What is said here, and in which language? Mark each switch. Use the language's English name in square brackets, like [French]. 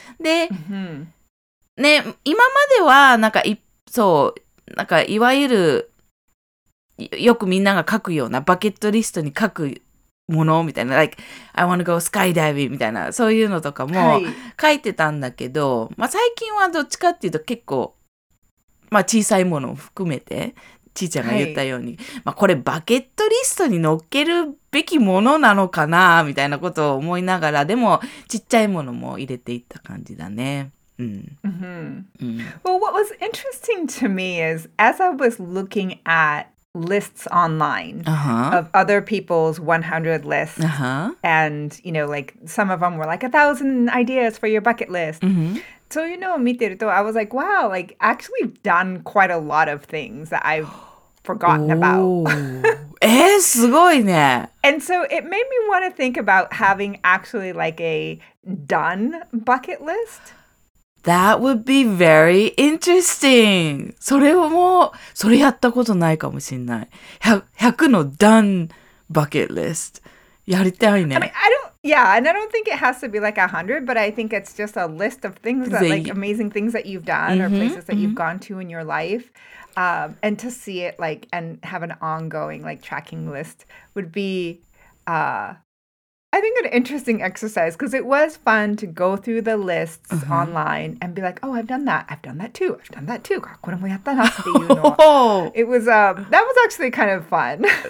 [Japanese] で、ね、今まではなんかそう、なんかいわゆるよくみんなが書くようなバケットリストに書くものみたいな、 [English] like I want to go skydiving [Japanese] みたいな、そういうのとかも書いてたんだけど、まあ最近はどっちかっていうと結構、まあ小さいものを含めて、ちーちゃんが言ったように、まあこれバケットリストに載っけるべきものなのかなみたいなことを思いながら、でもちっちゃいものも入れていった感じだね。 [English] Well, what was interesting to me is as I was looking at lists online of other people's 100 lists, and you know, like some of them were like 1,000 ideas for your bucket list. So, you know, [Japanese] 見てると, [English] I was like, wow, like actually done quite a lot of things that I've forgotten about. [Japanese] すごいね。 [English] And so it made me want to think about having actually like a done bucket list. That would be very interesting. [Japanese] それをもう、それやったことないかもしんない。 100の done bucket list. やりたいね。 [English] I mean, I don't, yeah, and I don't think it has to be like 100, but I think it's just a list of things that, like, amazing things that you've done or places that you've gone to in your life. And to see it, like, and have an ongoing, like, tracking list would be, I think an interesting exercise because it was fun to go through the lists online and be like, oh, I've done that too. [Japanese] これもやったなっていうの。 [English] It was, that was actually kind of fun.